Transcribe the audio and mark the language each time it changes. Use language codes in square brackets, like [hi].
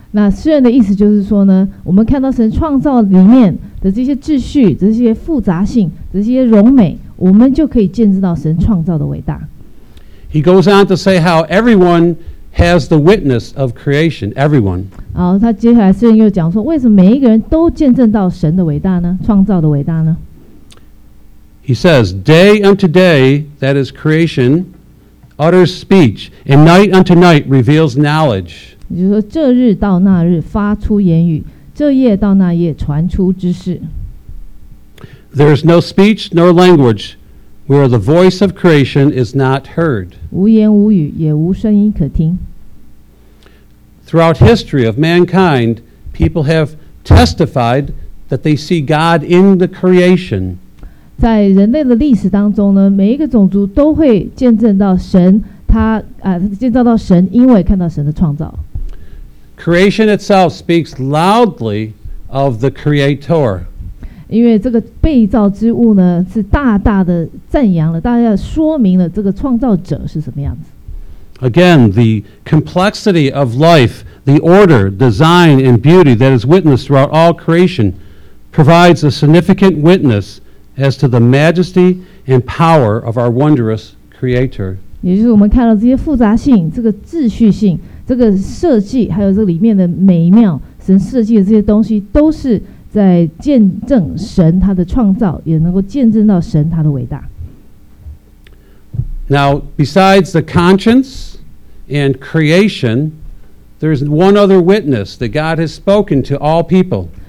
[zh] 那诗人的意思就是说呢，我们看到神创造里面的这些秩序、这些复杂性、这些荣美，我们就可以见证到神创造的伟大。 [en] He goes on to say how everyone has the witness of creation, everyone. [zh] 好，他接下来诗人又讲说，为什么每一个人都见证到神的伟大呢？创造的伟大呢？ [en] He says, day unto day, that is creation, utters speech, and night unto night reveals knowledge. [zh] 也就是说，这日到那日发出言语，这夜到那夜传出知识。 [en] There is no speech nor language where the voice of creation is not heard. [zh] 无言无语，也无声音可听。 [en] Throughout history of mankind, people have testified that they see God in the creation. [zh] 在人类的历史当中呢，每一个种族都会见证到神，见证到神，因为看到神的创造。 [en] Creation itself speaks loudly of the Creator. [zh] 因为这个被造之物呢，是大大的赞扬了，大大说明了这个创造者是什么样子。 [en] Again, the complexity of life, the order, design, and beauty that is witnessed throughout all creation provides a significant witness as to the majesty and power of our wondrous Creator. [zh] 也就是我们看到这些复杂性、这个秩序性、这个设计，还有这里面的美妙，神设计的这些东西，都是在见证神他的创造，也能够见证到神他的伟大。 [en] Now, besides the conscience and creation, there is one other witness that God has spoken to all people.